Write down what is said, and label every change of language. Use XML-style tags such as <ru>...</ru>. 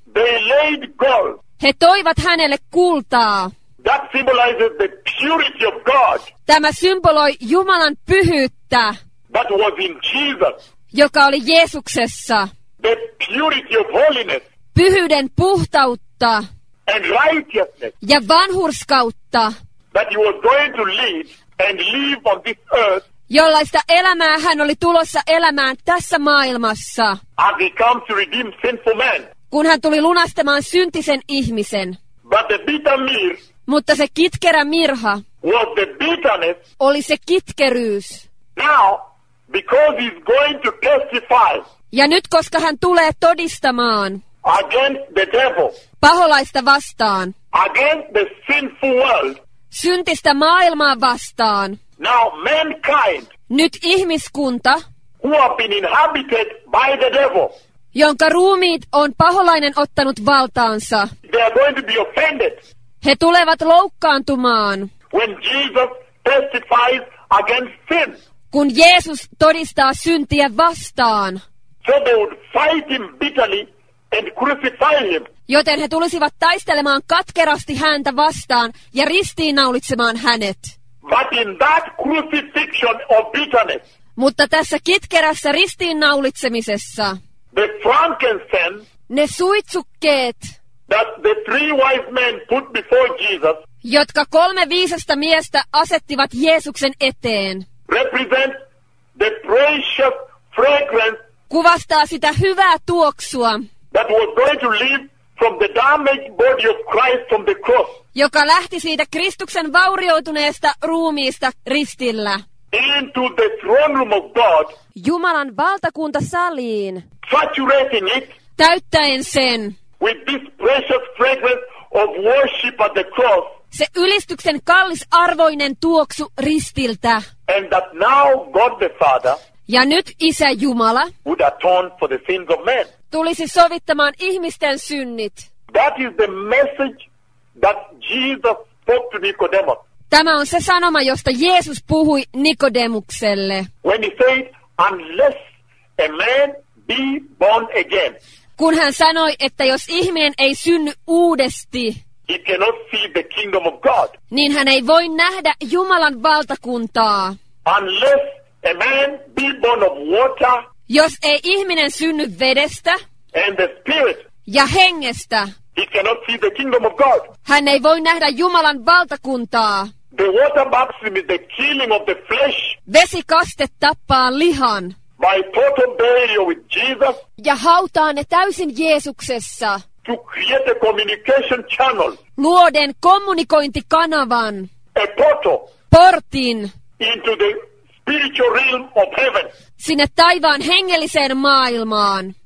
<en>They laid gold.</en> <fi>He toivat hänelle kultaa.</fi> <en>That symbolizes the purity of God.</en> <fi>Tämä symboloi Jumalan pyhyyttä.</fi> <en>That was in Jesus.</en> <fi>Joka oli Jeesuksessa.</fi> <en>The purity of holiness.</en> <fi>Pyhyyden puhtautta.</fi> <en>And righteousness.</en> <fi>Ja vanhurskautta.</fi> <en>That he was going to live and live on this earth.</en> <fi>Jollaista elämää hän oli tulossa elämään tässä maailmassa.</fi> <en>As he comes to redeem sinful man.</en> <fi>Kun hän tuli lunastamaan syntisen ihmisen.</fi> <en>But the bitter myrrh.</en> <fi>Mutta se kitkerä mirha.</fi> <en>Was the bitterness.</en> <fi>Oli se kitkeryys.</fi> <en>Now, because he's going to testify.</en> <fi>Ja nyt koska hän tulee todistamaan.</fi> <en>Against the devil.</en> <fi>Paholaista vastaan.</fi> <en>Against the sinful world.</en> <fi>Syntistä maailmaa vastaan.</fi> <en>Now mankind.</en> <fi>Nyt ihmiskunta.</fi> <en>Who have been inhabited by the devil.</en> <fi>Jonka ruumiit on paholainen ottanut valtaansa.</fi> <en>They are going to be offended.</en> <fi>He tulevat loukkaantumaan.</fi> <en>When Jesus testifies against sin.</en> <fi>Kun Jeesus todistaa syntiä vastaan.</fi> <en>So they would fight him bitterly and crucify him.</en> <fi>Joten he tulisivat taistelemaan katkerasti häntä vastaan ja ristiinnaulitsemaan hänet.</fi> <en>But in that crucifixion of bitterness.</en> <fi>Mutta tässä kitkerässä ristiinnaulitsemisessa.</fi> <en>The frankincense.</en> <fi>Ne suitsukkeet.</fi> <en>That the three wise men put before Jesus.</en> <fi>Jotka kolme viisasta miestä asettivat Jeesuksen eteen.</fi> <en>Represent the precious fragrance.</en> <fi>Kuvastaa sitä hyvää tuoksua.</fi> <en>That was going to leave from the damaged body of Christ from the cross.</en> <fi>Joka lähti siitä Kristuksen vaurioituneesta ruumiista ristillä.</fi> <en>Into the throne room of God.</en> <fi>Jumalan valtakuntasaliin.</fi> <en>Saturating it.</en> <fi>Täyttäen sen.</fi> <en>With this precious fragrance of worship at the cross.</en> <fi>Se ylistyksen kallisarvoinen tuoksu ristiltä.</fi> <en>And that now God the Father,</en> <fi>ja nyt Isä Jumala,</fi> <en>would atone for the sins of men,</en> <fi>tulisi sovittamaan ihmisten synnit.</fi> <en>That is the message that Jesus spoke to Nicodemus.</en> <fi>Tämä on se sanoma, josta Jeesus puhui Nikodemukselle.</fi> <en>When he said, unless a man be born again.</en> <fi>Kun hän sanoi, että jos ihminen ei synny uudesti,</fi> <en>he cannot see the kingdom of God.</en> <fi>Niin hän ei voi nähdä Jumalan valtakuntaa.</fi> <en>Unless a man be born of water,</en> <fi>jos ei ihminen synny vedestä</fi> <en>and the spirit,</en> <fi>ja hengestä,</fi> <en>he cannot see the kingdom of God.</en> <fi>Hän ei voi nähdä Jumalan valtakuntaa.</fi> <en>The water baptism is the killing of the flesh.</en> <fi>Vesi kaste tappaa lihan.</fi> <en>By total burial with Jesus.</en> <fi>Ja hautaa ne täysin Jeesuksessa.</fi> <en>To create a communication channel.</en> <fi>Luoden kommunikointikanavan.</fi> <en>A portal.</en> <fi>Portin.</fi> <en>Into the spiritual realm of heaven.</en> <fi>Sinne taivaan hengelliseen maailmaan.</fi>